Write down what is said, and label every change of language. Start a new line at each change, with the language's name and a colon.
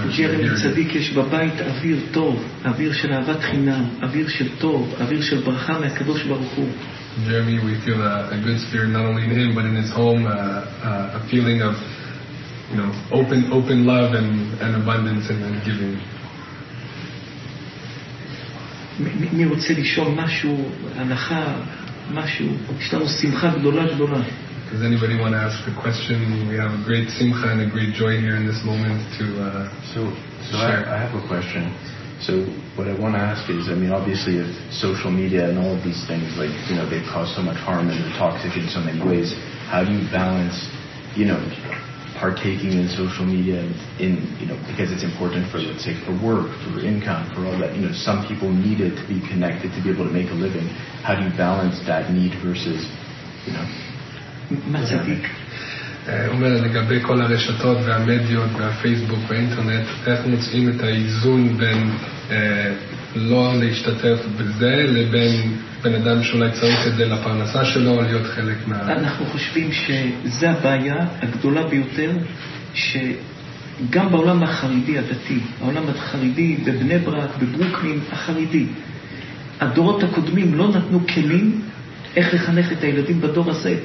English: Jeremy Tzadik, there is in the house a good air, a good air of love, a good air of good, a good air of blessing from the Kadosh Baruch Hu. Jeremy, we feel a good spirit not only in him but in his home, a feeling of, you know, open love and abundance and giving.
Hebrew: מי רוצה לשאול משהו, הנחה, משהו? יש לנו שמחה גדולה גדולה.
English: Does anybody want to ask a question? We have a great simcha and a great joy here in this moment to I have a question. So what I want to ask is, I mean, obviously if social media and all of these things, like, you know, they've caused so much harm and they're toxic in so many ways, how do you balance, you know, partaking in social media in, you know, because it's important for, let's say, for work, for income, for all that, you know, some people need it to be connected, to be able to make a living. How do you balance that need versus, you know?
Hebrew: מצדיק. אומר לגבי כל הרשתות והמדיות והפייסבוק והאינטרנט, איך מוצאים את האיזון בין לא להשתתף בזה לבין בן אדם שאולי צריך את זה לפרנסה שלו או להיות חלק מה... אנחנו חושבים שזה הבעיה הגדולה ביותר, שגם בעולם החרדי הדתי, העולם החרדי בבני ברק, בברוקלין החרדי, הדורות הקודמים לא נתנו כלים איך לחנך את הילדים בדור הזה.